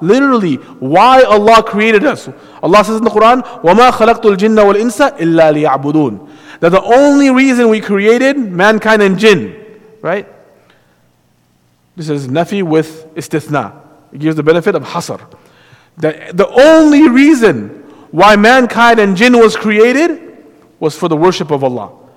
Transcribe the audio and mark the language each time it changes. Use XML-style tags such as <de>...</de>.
<en>Literally, why Allah created us. Allah says in the Quran,</en> <ar>وَمَا خَلَقْتُ الْجِنَّ وَالْإِنسَ إِلَّا لِيَعْبُدُونَ.</ar> <en>That the only reason we created mankind and jinn, right? This is nafi with istithna. It gives the benefit of hasr. The only reason why mankind and jinn was created was for the worship of Allah.</en>